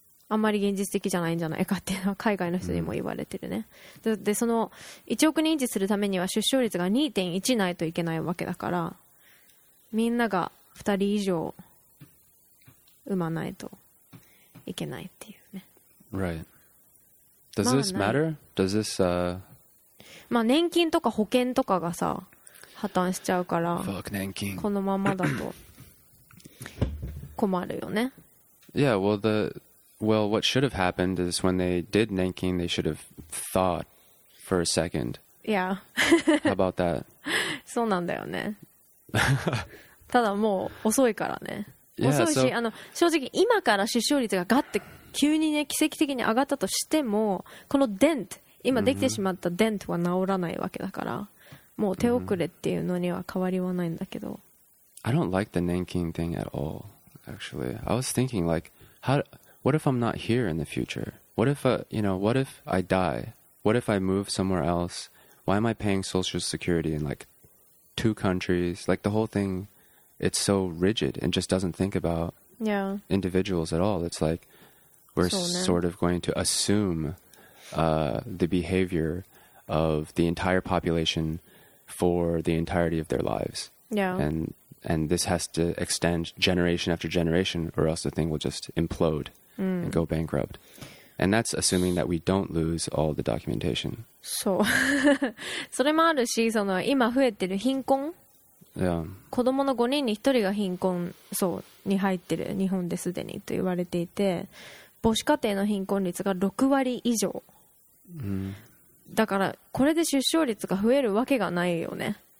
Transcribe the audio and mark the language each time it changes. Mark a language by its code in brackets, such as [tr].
[ja] あんまり現実的じゃないんじゃないかっていうのは海外の人にも言われてるね、うん、でその1億人維持するためには出生率が 2.1 ないといけないわけだから、みんなが2人以上産まないといけないっていうね。 [en] Right. Does this matter? Does this, [ja] まあ年金とか保険とかがさ破綻しちゃうから、 [en] Fuck 年金、 [ja] このままだと困るよね。 [en] Yeah, well, what should have happened is when they did nanking, they should have thought for a second. Yeah. How about that? [ja] そうなんだよね。ただもう遅いからね。 [en] Yeah, [ja] 遅いし、 [en] so、 [ja] あの正直今から出生率がガッて急にね奇跡的に上がったとしても、このデント、今できてしまったデントは治らないわけだから、もう手遅れっていうのには変わりはないんだけど。 [en] I don't like the nanking thing at all. Actually, I was thinking, like, how, what if I'm not here in the future? What if, you know, what if I die? What if I move somewhere else? Why am I paying social security in, like, two countries? Like, the whole thing, it's so rigid and just doesn't think about individuals at all. It's like, we're sort of going to assume the behavior of the entire population for the entirety of their lives. Yeah. And this has to extend generation after generation, or else the thing will just implode、 [ja] うん、 [en] and go bankrupt. And that's assuming that we don't lose all the documentation. [ja] そう。それもあるし、その今増えてる貧困、 [en] yeah. [ja] 子供の5人に1人が貧困層に入ってる日本ですでにと言われていて、母子家庭の貧困率が6割以上、うん、だからこれで出生率が増えるわけがないよね。